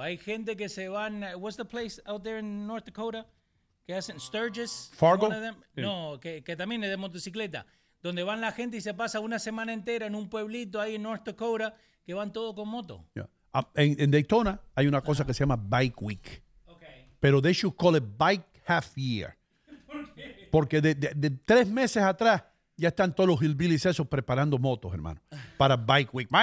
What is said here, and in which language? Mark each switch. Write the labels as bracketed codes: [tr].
[es] Hay gente que se van, [en] what's the place out there in North Dakota? [es] Que hacen Sturgis. Fargo? No, que también es de motocicleta. Donde van la gente y se pasa una semana entera en un pueblito ahí en North Dakota, que van todo con moto. Yeah. En Daytona hay una cosa que se llama Bike Week. Okay. Pero [en] they should call it Bike Half Year. [es] ¿Por qué? Porque de 3 meses atrás ya están todos los hillbillies esos preparando motos, hermano, para Bike Week.